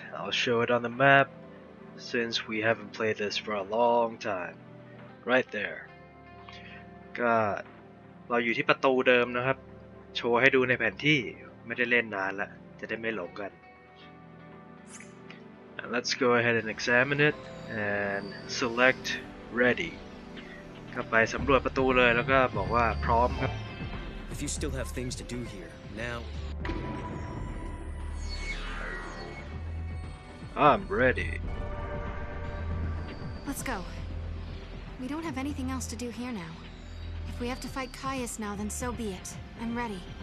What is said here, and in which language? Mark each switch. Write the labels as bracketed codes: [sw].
[en] I'll show it on the map, since we haven't played this for a long time. Right there. [th] ก็เราอยู่ที่ประตูเดิมนะครับโชว์ให้ดูในแผนที่ไม่ได้เล่นนานละจะได้ไม่หลงกัน [en] Now let's go ahead and examine it and select ready. [th] ก็ไปสำรวจประตูเลยแล้วก็บอกว่าพร้อมครับ [en] If you still have things to do here, now... I'm ready. Let's go. We don't have anything else to do here now. If we have to fight Caius now, then so be it. I'm ready.